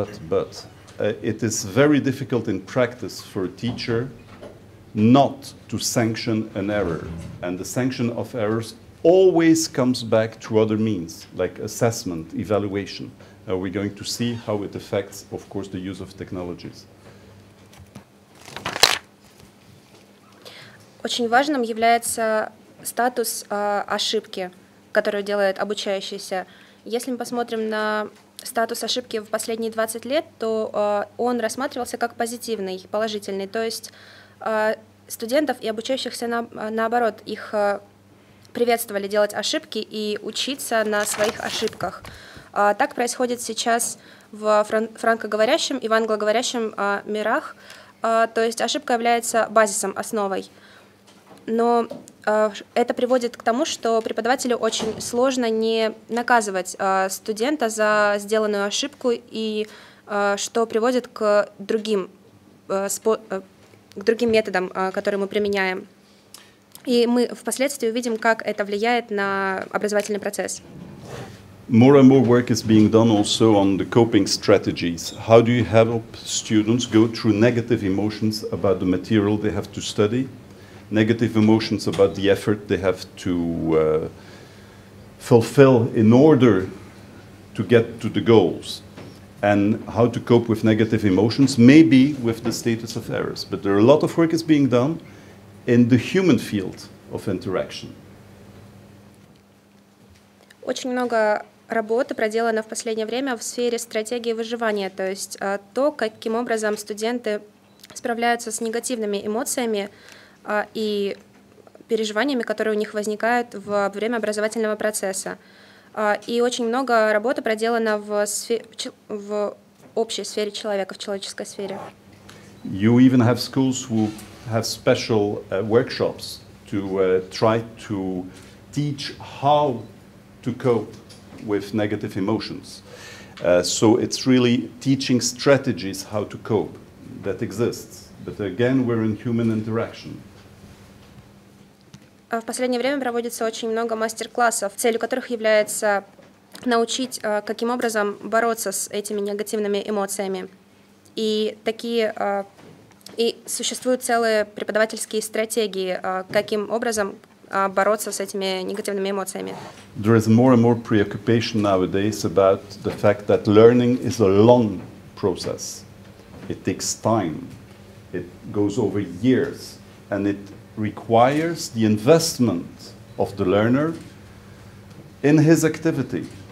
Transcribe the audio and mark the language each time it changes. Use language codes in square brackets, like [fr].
[en] But, it is very difficult in practice for a teacher not to sanction an error, and the sanction of errors always comes back to other means, like assessment, evaluation. We're going to see how it affects, of course, the use of technologies. [ru] Очень важным является статус ошибки, которую делает обучающийся. Если мы посмотрим на статус ошибки в последние 20 лет, то он рассматривался как позитивный, положительный, то есть студентов и обучающихся наоборот, их приветствовали делать ошибки и учиться на своих ошибках. Так происходит сейчас в франкоговорящем и в англоговорящем мирах. То есть ошибка является базисом, основой. Но это приводит к тому, что преподавателю очень сложно не наказывать студента за сделанную ошибку, и что приводит к другим, к другим методам, которые мы применяем. И мы впоследствии увидим, как это влияет на образовательный процесс. [en] More and more work is being done also on the coping strategies. How do you help students go through negative emotions about the material they have to study, negative emotions about the effort they have to fulfill in order to get to the goals, and how to cope with negative emotions, maybe with the status of errors. But there are a lot of work is being done in the human field of interaction. [ru] Очень много работы проделано в последнее время в сфере стратегии выживания, то есть то, каким образом студенты справляются с негативными эмоциями и переживаниями, которые у них возникают во время образовательного процесса. И очень много работы проделано в общей сфере человека, в человеческой сфере. [en] You even have schools who have special workshops to try to teach how to cope with negative emotions. So it's really teaching strategies how to cope that exists. But again, we're in human interaction. [ru] В последнее время проводится очень много мастер-классов, целью которых является научить, каким образом бороться с этими негативными эмоциями. И такие и существуют целые преподавательские стратегии, каким образом бороться с этими негативными эмоциями. [en] There is more and more preoccupation nowadays about the fact that learning is a long process. It takes time. It goes over years, and it requires the investment of the learner in his activity.